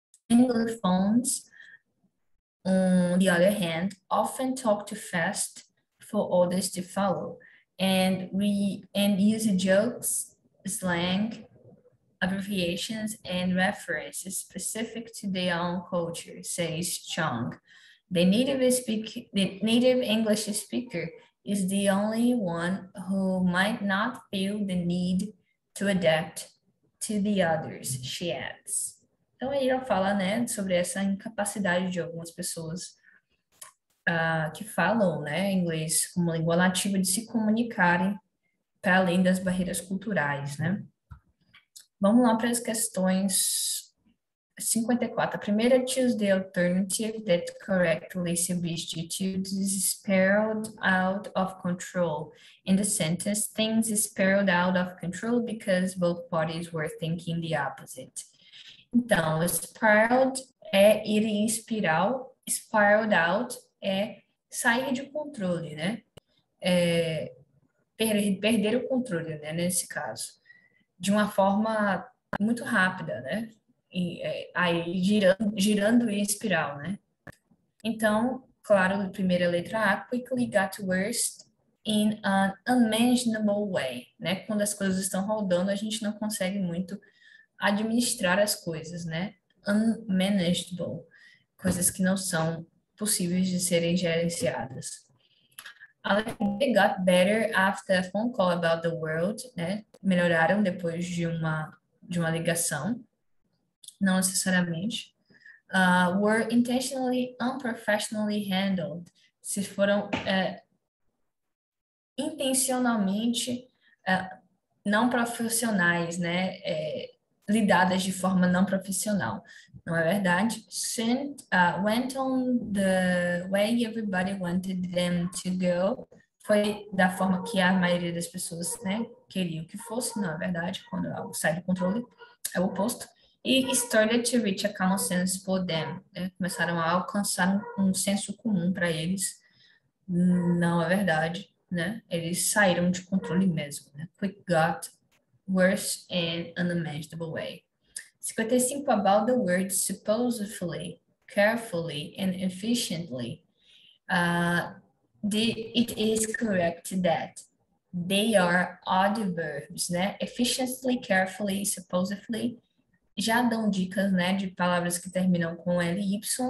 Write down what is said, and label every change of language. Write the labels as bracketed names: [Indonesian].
[English] Anglophones, on the other hand, often talk too fast for others to follow, and use jokes, slang, abbreviations, and references specific to their own culture, says Chong. The native English speaker is the only one who might not feel the need to adapt to the others, she adds. [Portuguese] Então, aí ela fala, né, sobre essa incapacidade de algumas pessoas que falam, né, inglês como língua nativa de se comunicarem para além das barreiras culturais, né? Vamos lá para as questões 54. A primeira, [English] choose the alternative that correctly substitutes spiraled out of control. In the sentence, things spiraled out of control because both parties were thinking the opposite. [Portuguese] Então, spiraled é ir em espiral, spiraled out é sair de controle, né? É perder o controle, né, nesse caso, de uma forma muito rápida, né? E aí girando em espiral, né? Então, claro, primeira letra A, [English] quickly got worse in an unmanageable way, [Portuguese] né? Quando as coisas estão rodando, a gente não consegue muito administrar as coisas, né? Unmanageable, coisas que não são possíveis de serem gerenciadas. [English] They got better after a phone call about the world, né? [Portuguese] Melhoraram depois de uma ligação, não necessariamente. [English] Were intentionally unprofessionally handled. [Portuguese] Se foram intencionalmente não profissionais, né? Lidadas de forma não profissional, não é verdade? [English] Sent, went on the way everybody wanted them to go. [Portuguese] Foi da forma que a maioria das pessoas, né, queriam que fosse, não é verdade? Quando algo sai do controle, é o oposto. E [English] started to reach a common sense for them, [Portuguese] né? Começaram a alcançar um senso comum para eles, não é verdade, né? Eles saíram de controle mesmo, né? [English] Quick got worse in an unmanageable way. 55, about the word supposedly, carefully and efficiently. It is correct that they are adverbs, né? Efficiently, carefully, supposedly. [Portuguese] Já dão dicas, né, de palavras que terminam com ly.